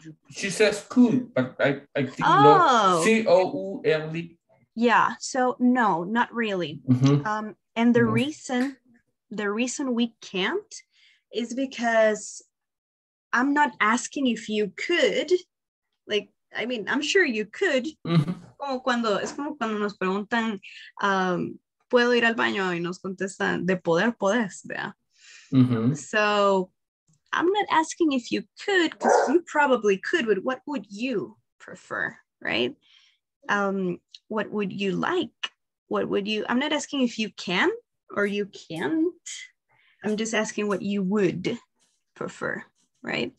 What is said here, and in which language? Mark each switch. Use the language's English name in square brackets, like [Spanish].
[English] She says cool, but I think C-O-U-L-E. Yeah, so no, not really. Mm-hmm. And the reason we can't is because I'm not asking if you could. Like, I mean, I'm sure you could. Mm-hmm. [Spanish] Es como cuando nos preguntan, puedo ir al baño, y nos contestan, de poder, podés, ¿vea? [English] So, I'm not asking if you could, because you probably could, but what would you prefer, right? What would you like? What would you, I'm not asking if you can or you can't. I'm just asking what you would prefer, right?